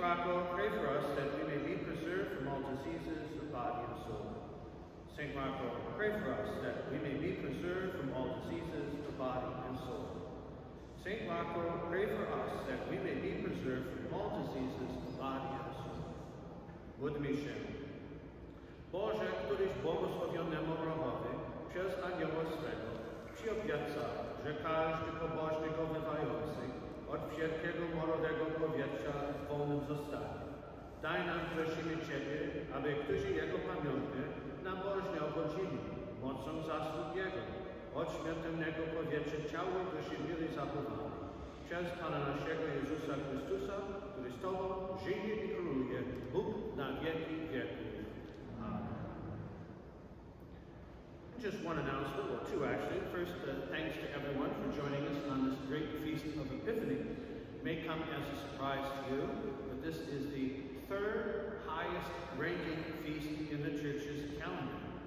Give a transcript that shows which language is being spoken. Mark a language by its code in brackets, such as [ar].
[en] Rocco, pray for us that we may be preserved from all diseases of body and soul. St. Marco, pray for us that we may be preserved from all diseases of body and soul. St. Marco, pray for us that we may be preserved from all diseases of body and soul. Wood Mission. [pl] Bože, któryś błogosławionemu Romowi przez anioła swego przyobieca, że każdy pobożny go wywający od wszelkiego morowego powietrza wolnym zostanie. Daj nam, prosimy Ciebie, aby którzy Jego pamiątkę nabożnie obchodzili mocą zasług Jego, od śmiertelnego powietrza ciało i duszy mieli zachowane. Przez Pana naszego Jezusa Chrystusa, który z Tobą żyje i króluje, Bóg na wieki wieków. [en] Just one announcement, well, two actually. First, thanks to everyone for joining us on this great Feast of Epiphany. It may come as a surprise to you, but this is the third highest ranking feast in the Church's calendar.